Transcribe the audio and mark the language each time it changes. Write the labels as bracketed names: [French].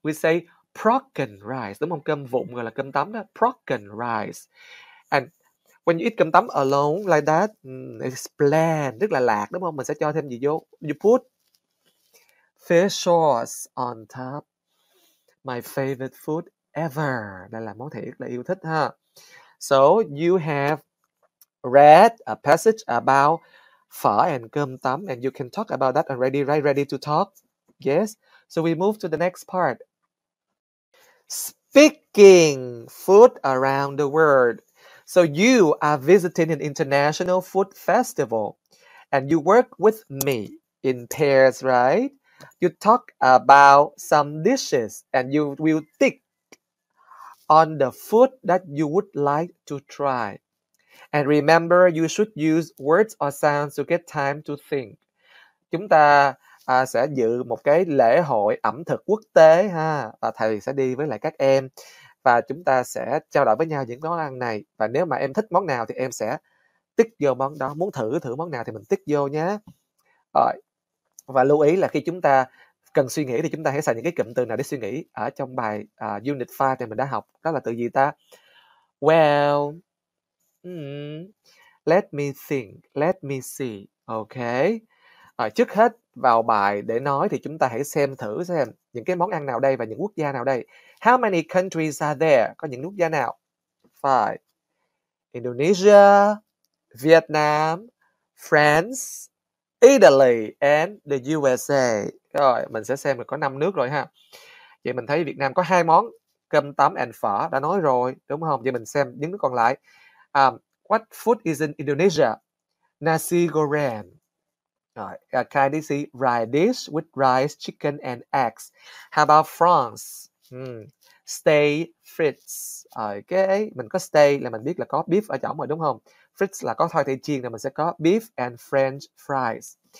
[English] We say broken rice, [Vietnamese] đúng không? Cơm vụn gọi là cơm tấm đó, [English] broken rice. And when you eat cơm tấm alone like that, it's bland, [Vietnamese] rất là lạc, đúng không? Mình sẽ cho thêm gì vô? [English] You put fish sauce on top. My favorite food ever. [Vietnamese] Đây là món thầy rất là yêu thích ha. [English] So you have read a passage about phở and cơm tấm, and you can talk about that already, right? Ready to talk? Yes. So we move to the next part. Speaking food around the world. So you are visiting an international food festival, and you work with me in pairs, right? You talk about some dishes and you will think on the food that you would like to try. And remember, you should use words or sounds to get time to think. [Vietnamese] Chúng ta sẽ dự một cái lễ hội ẩm thực quốc tế ha, và thầy sẽ đi với lại các em và chúng ta sẽ trao đổi với nhau những món ăn này, và nếu mà em thích món nào thì em sẽ tích vô món đó, muốn thử món nào thì mình tích vô nhé. Rồi. Và lưu ý là khi chúng ta cần suy nghĩ thì chúng ta hãy xài những cái cụm từ nào để suy nghĩ ở trong bài Unit 5 thì mình đã học. Đó là từ gì ta? [English] Well, let me think, let me see. Ok. [Vietnamese] Trước hết vào bài để nói thì chúng ta hãy xem thử xem những cái món ăn nào đây và những quốc gia nào đây. [English] How many countries are there? [Vietnamese] Có những quốc gia nào? [English] 5. Indonesia, Vietnam, France, Italy and the USA. [Vietnamese] Rồi, mình sẽ xem là có 5 nước rồi ha. Vậy mình thấy Việt Nam có 2 món, cơm tấm and phở đã nói rồi, đúng không? Vậy mình xem những nước còn lại. [English] What food is in Indonesia? Nasi goreng. Rồi, can you see rice dish with rice, chicken and eggs. How about France? Steak frites. [Vietnamese] Ok, mình có steak là mình biết là có beef ở trong rồi, đúng không? Fritz là có thoi thể chiên, rồi mình sẽ có [English] beef and french fries.